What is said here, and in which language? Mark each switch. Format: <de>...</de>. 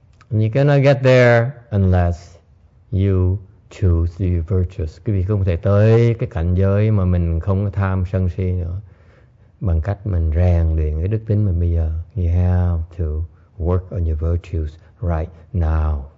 <en>And you cannot get there unless you choose the virtues.</en> <vi>Quý vị không thể tới cái cảnh giới mà mình không có tham sân si nữa bằng cách mình rèn luyện cái đức tính mình bây giờ.</vi> <en>You have to work on your virtues right now.</en>